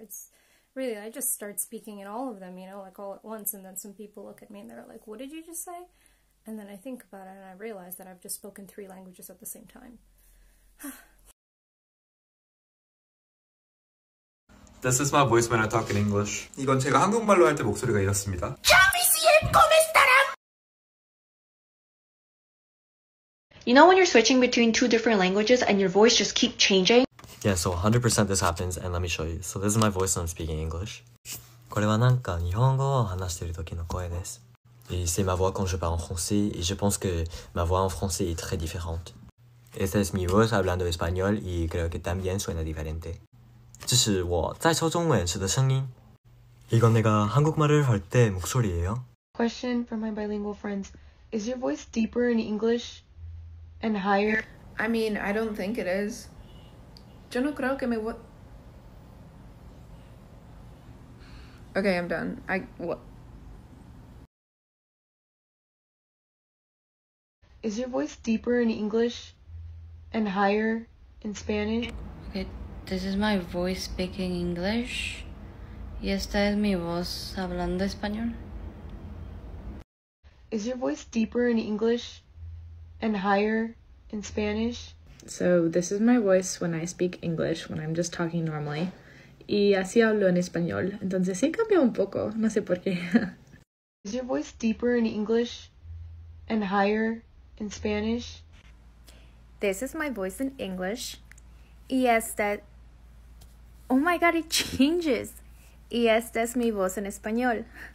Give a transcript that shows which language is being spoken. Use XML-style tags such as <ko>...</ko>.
<en>It's really, I just start speaking in all of them, you know, like all at once. And then some people look at me and they're like, what did you just say? And then I think about it and I realize that I've just spoken 3 languages at the same time. This is my voice when I talk in English.</en> <ko>이건 제가 한국말로 할 때 목소리가 이렇습니다.</ko> <en>You know when you're switching between 2 different languages and your voice just keep changing? Yeah, so 100% this happens, and let me show you. So this is my voice when I'm speaking English.</en> <ja>これはなんか日本語を話している時の声です。</ja> <fr>Et c'est ma voix quand je parle en français, et je pense que ma voix en français est très différente.</fr> <es>Esta es mi voz hablando español, y creo que también suena diferente.</es> <zh>这是我在说中文时的声音。</zh> <ko>이건내가한국말을할때목소리예요。</ko> <en>Question for my bilingual friends. Is your voice deeper in English and higher? I mean, I don't think it is.</en> <es>Yo no creo que me...</es> <en>Okay, I'm done. Is your voice deeper in English and higher in Spanish? Okay, This is my voice speaking English.</en> <es>Y esta es mi voz hablando español.</es> <en>Is your voice deeper in English and higher in Spanish? So this is my voice when I speak English, when I'm just talking normally.</en> <es>Y así hablo en español. Entonces sí cambia un poco, no sé por qué.</es> <en>Is your voice deeper in English and higher in Spanish? This is my voice in English.</en> <es>Y esta...</es> <en>Oh my god, it changes!</en> <es>Y esta es mi voz en español.</es>